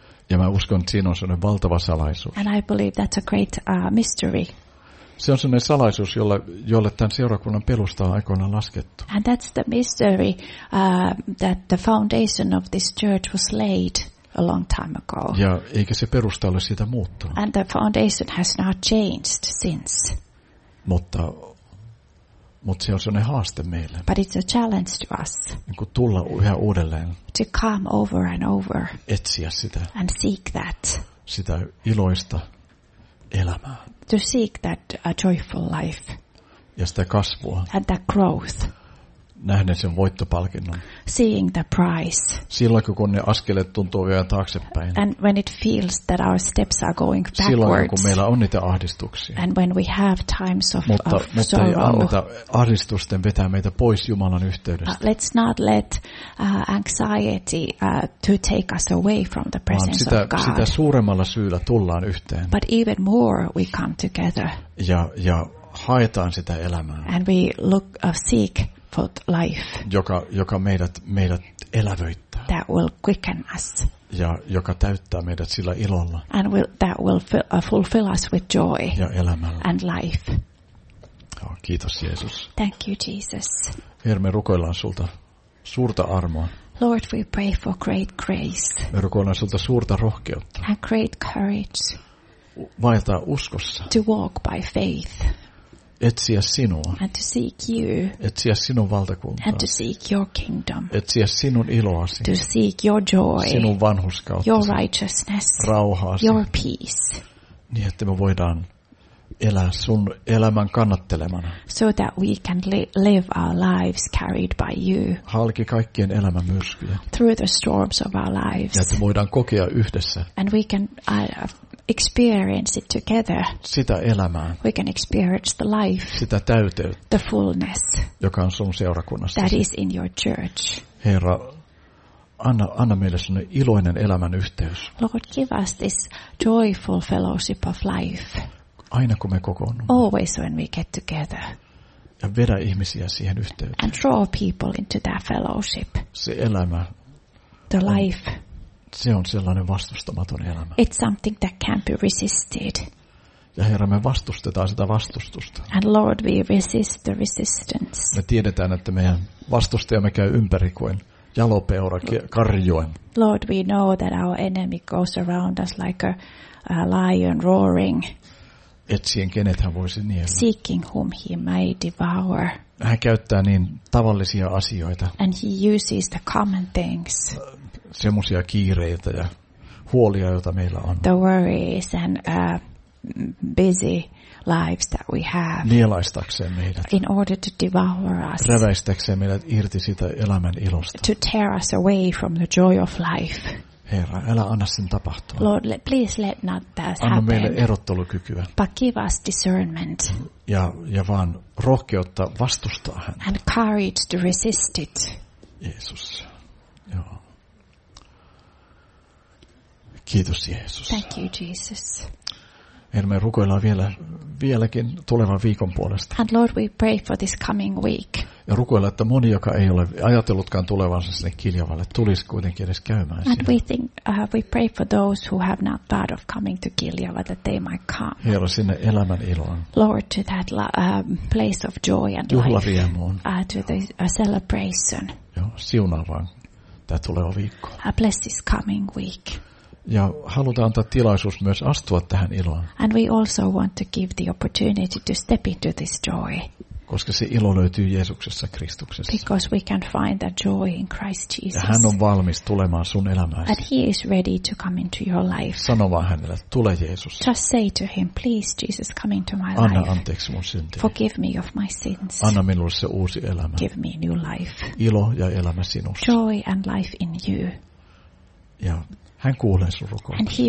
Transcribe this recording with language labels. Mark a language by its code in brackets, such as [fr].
[fi] Ja mä uskon, että siinä on sellainen valtava salaisuus. [en] And I believe that's a great mystery. [fi] Se on sellainen salaisuus, jolle tämän seurakunnan perusta on aikoinaan laskettu. [en] And that's the mystery that the foundation of this church was laid a long time ago. [fi] Ja eikä se perusta ole siitä muuttunut. [en] And the foundation has not changed since. [fi] Mutta se on sellainen haaste meille. [en] But it's a challenge to us. [fi] Niin kuin tulla yhä uudelleen. [en] To come over and over. [fi] Etsiä sitä. [en] And seek that. [fi] Sitä iloista elämää. [en] To seek that joyful life. [fi] Ja sitä kasvua. [en] And that growth. [fi] nähneet sen voittopalkinnon. [en] Seeing the prize. [fi] Silloin kun ne askeleet tuntuu vielä taaksepäin. [en] And when it feels that our steps are going backwards. [fi] Silloin kun meillä on niitä ahdistuksia. [en] And when we have times of [fi] mutta, [en] of [fi] mutta [en] sorrow. [fi] Mutta ei anneta ahdistusten vetää meitä pois Jumalan yhteydestä. [en] But let's not let anxiety to take us away from the presence [fi] sitä, [en] of God. [fi] Sitä suuremmalla syyllä tullaan yhteen. [en] But even more we come together. [fi] Ja haetaan sitä elämää. [en] And we look seek life, [fi] joka meidät elävöittää. [en] That will quicken us. [fi] Ja joka täyttää meidät sillä ilolla. [en] And will, that will fulfill us with joy. [fi] Ja elämällä. [en] And life. [fi] Joo, kiitos Jeesus. [en] Thank you Jesus. [fi] Herra, me rukoillaan sulta suurta armoa. [en] Lord, we pray for great grace. [fi] Me rukoillaan sulta suurta rohkeutta. [en] And great courage. [fi] Vaeltaa uskossa. [en] To walk by faith. [fi] Etsiä sinua. [en] And to seek you. [fi] Etsiä sinun valtakuntaa. [en] And to seek your kingdom. [fi] Etsiä sinun iloasi. [en] To seek your joy. [fi] Sinun vanhurskautta. [en] Your righteousness. [fi] Rauhaasi. [en] Your peace. [fi] Niin, että me voidaan elää sun elämän kannattelemana. [en] So that we can live our lives carried by you. [fi] Halki kaikkien elämän myrskyjä. [en] Through the storms of our lives. [fi] Ja että me voidaan kokea yhdessä. [en] And we can experience it together. [fi] Sitä elämää. [en] We can experience the life. [fi] Sitä täyteyttä. [en] The fullness. [fi] Joka on sun seurakunnassa. [en] That is in your church. [fi] Herra, anna meille sinne iloinen elämän yhteys. [en] Lord, give us this joyful fellowship of life. [fi] Aina kun me kokoonnumme. [en] Always when we get together. [fi] Ja vedä ihmisiä siihen yhteyteen. [en] And draw people into that fellowship. [fi] Se elämä. [en] The life. [fi] Se on sellainen vastustamaton elämä. [en] It's something that can't be resisted. [fi] Ja Herra, me vastustetaan sitä vastustusta. [en] And Lord, we resist the resistance. [fi] Me tiedetään, että meidän vastustajamme käy ympäri kuin jalopeura karjoen. [en] Lord, we know that our enemy goes around us like a lion roaring. [fi] Etsien kenet hän voisi niellä. [en] Seeking whom he may devour. [fi] Hän käyttää niin tavallisia asioita. [en] And he uses the common things. [fi] Semmoisia kiireitä ja huolia, joita meillä on. [en] The worries and busy lives that we have. [fi] Nielaistakseen meidät. [en] In order to devour us. [fi] Räväistäkseen meidät irti sitä elämän ilosta. [en] To tear us away from the joy of life. [fi] Herra, älä anna sen tapahtua. [en] Lord, please let not that happen. [fi] Anna meille erottelukykyä. [en] But give us discernment. [fi] Ja vaan rohkeutta vastustaa häntä. [en] And courage to resist it. [fi] Jeesus, joo. Kiitos Jeesus. [en] Thank you Jesus. [fi] Herra, me rukoillaan vieläkin tulevan viikon puolesta. [en] And Lord, we pray for this coming week. [fi] Ja rukoillaan, että moni, joka ei ole ajatellutkaan tulevansa sinne Kiljavalle, tulisi kuitenkin edes käymään siellä. [en] And we think we pray for those who have not thought of coming to Kiljava that they might come. [fi] Herra, sinne elämän iloon. [en] Lord, to that place of joy and life. [fi] Juhlariemuun. [en] To the celebration. [fi] Joo, siunaa vaan tämä tuleva viikko. [en] Bless this coming week. [fi] Ja halutaan antaa tilaisuus myös astua tähän iloon. [en] And we also want to give the opportunity to step into this joy. [fi] Koska se ilo löytyy Jeesuksessa Kristuksessa. [en] Because we can find that joy in Christ Jesus. [fi] Ja hän on valmis tulemaan sun elämääsi. [en] And he is ready to come into your life. [fi] Sano vaan hänelle, tule Jeesus. [en] Just say to him, please Jesus, come into my life. [fi] Anna anteeksi mun syntiä. [en] Forgive me of my sins. [fi] Anna minulle se uusi elämä. [en] Give me new life. [fi] Ilo ja elämä sinussa. [en] Joy and life in you. [fi] Ja hän kuulee sun rukouksesi.